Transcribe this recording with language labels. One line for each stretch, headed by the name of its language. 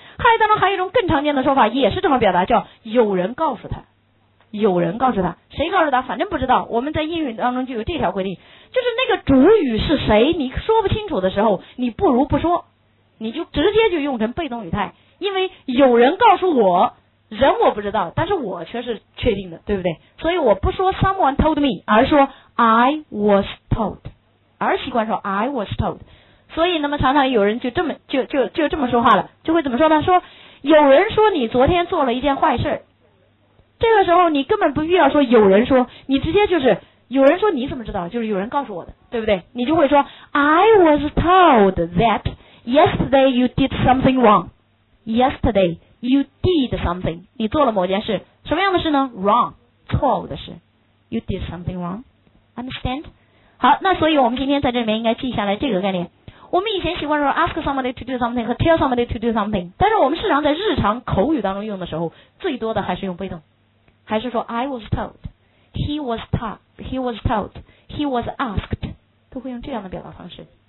Chinese: 汉语当中还有一种更常见的说法也是这么表达，叫有人告诉他，有人告诉他，谁告诉他反正不知道。我们在英语当中就有这条规定，就是那个主语是谁你说不清楚的时候，你不如不说，你就直接就用成被动语态。因为有人告诉我，人我不知道，但是我却是确定的，对不对？所以我不说
English: someone told me，
Chinese: 而说
English: I was told，
Chinese: 而习惯说 I was told。所以那么常常有人就这么就这么说话了，就会怎么说呢？说有人说你昨天做了一件坏事，这个时候你根本不必要说有人说，你直接就是有人说你怎么知道，就是有人告诉我的，对不对？你就会说
English: I was told that yesterday you did something wrong，
Chinese: yesterday you did something， 你做了某件事，什么样的事呢？
English: wrong，
Chinese: 错误的事。
English: you did something wrong， understand。
Chinese: 好，那所以我们今天在这里面应该记下来这个概念。我们以前习惯说
English: ask somebody to do something
Chinese: 和 tell somebody to do something， 但是我们时常在日常口语当中用的时候，最多的还是用被动，还是说
English: I was told， he was taught， he was told， he was asked，
Chinese: 都会用这样的表达方式。